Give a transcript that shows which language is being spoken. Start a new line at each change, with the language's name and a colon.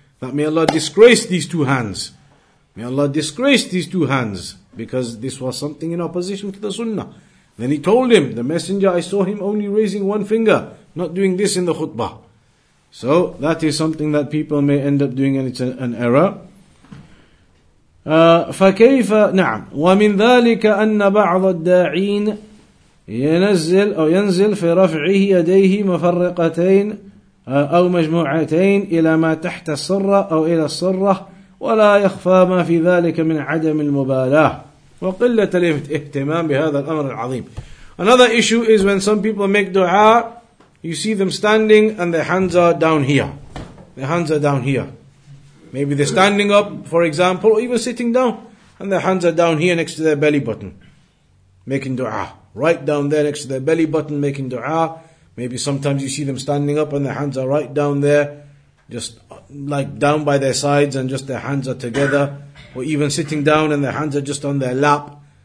English: That may Allah disgrace these two hands. May Allah disgrace these two hands, because this was something in opposition to the sunnah. Then he told him, the messenger, I saw him only raising one finger, not doing this in the khutbah. So that is something that people may end up doing, and it's an error.
Arabic: فكيف نعم ومن ذلك أن بعض الداعين ينزل أو ينزل في رفعه يديه مفرقتين أو مجموعتين إلى ما تحت السرة أو إلى السرة ولا يخفى ما في ذلك من عدم المبالاة وقلة الاهتمام بهذا الأمر العظيم.
English: Another issue is when some people make dua, you see them standing and their hands are down here. Their hands are down here. Maybe they're standing up, for example, or even sitting down, and their hands are down here next to their belly button, making dua. Right down there next to their belly button, making dua. Maybe sometimes you see them standing up and their hands are right down there, just like down by their sides and just their hands are together, or even sitting down and their hands are just on their lap.